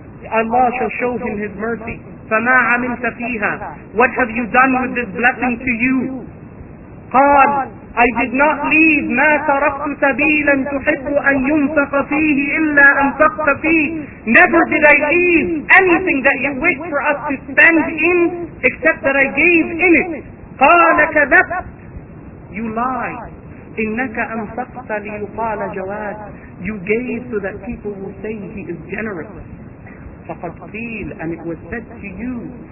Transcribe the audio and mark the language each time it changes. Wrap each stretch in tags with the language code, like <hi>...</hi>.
<en>Allah shall show him his mercy.</en> <ar>فما عملت فيها.</ar> <en>What have you done with this blessing to you?</en> <ar>قال,</ar> <en>I did not leave</en> <ar>ما تركت سبيلا تحب أن ينفق فيه إلا أن تقت فيه.</ar> <en>Never did I leave anything that you wish for us to spend in except that I gave in it.</en> <ar>قال كذبت.</ar> <en>You lied.</en> <ar>إنك أنفقت ليقال جواد.</ar> <en>You gave so that people will say he is generous.</en> <ar>فقد قيل,</ar> <en>and it was said to you.</en>